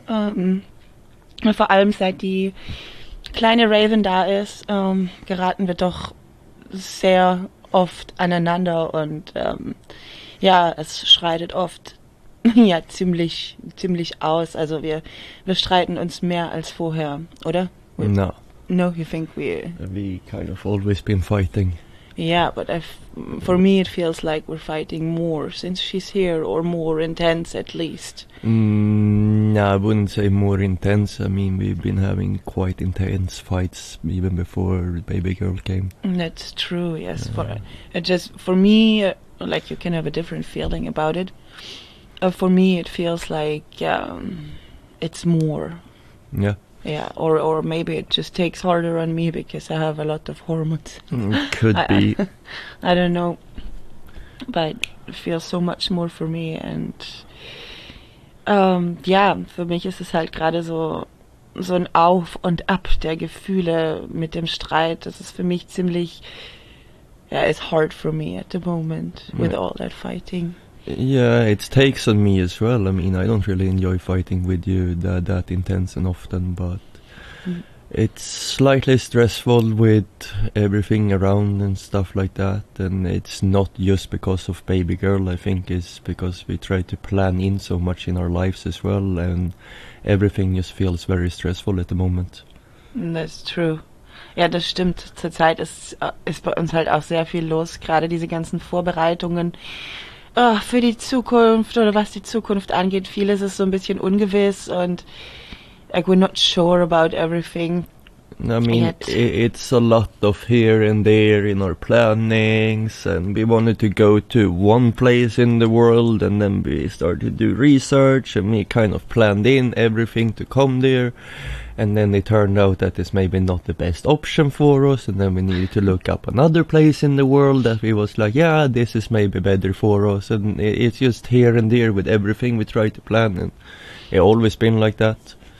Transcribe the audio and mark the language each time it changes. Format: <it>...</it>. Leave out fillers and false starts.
<de>Vor allem seit die kleine Raven da ist, geraten wir doch sehr oft aneinander und ja, es schreitet oft ja ziemlich aus. Also wir streiten uns mehr als vorher, oder?</de> <en>No, you think we? We kind of always been fighting. Yeah, but for me it feels like we're fighting more since she's here, or more intense at least. No, I wouldn't say more intense. I mean, we've been having quite intense fights even before baby girl came. That's true, yes. Yeah. For me, like, you can have a different feeling about it. For me it feels like it's more. Yeah. Yeah, or maybe it just takes harder on me because I have a lot of hormones. Could be. I don't know. But it feels so much more for me. And yeah,</en> <de>für mich ist es halt gerade so ein Auf und Ab der Gefühle mit dem Streit. Das ist für mich ziemlich,</de> <en>yeah, it's hard for me at the moment with all that fighting. Yeah, it takes on me as well. I mean, I don't really enjoy fighting with you that intense and often, but it's slightly stressful with everything around and stuff like that. And it's not just because of baby girl, I think it's because we try to plan in so much in our lives as well, and everything just feels very stressful at the moment. That's true.</en> <de>Ja, das stimmt. Zurzeit ist bei uns halt auch sehr viel los, gerade diese ganzen Vorbereitungen. Oh, für die Zukunft oder was die Zukunft angeht, vieles ist so ein bisschen ungewiss und</de> <en>like, we're not sure about everything. I mean, it's a lot of here and there in our plannings, and we wanted to go to one place in the world, and then we started to do research, and we kind of planned in everything to come there, and then it turned out that it's maybe not the best option for us, and then we needed to look up another place in the world that we was like, yeah, this is maybe better for us, and it's just here and there with everything we try to plan, and it always been like that.</en>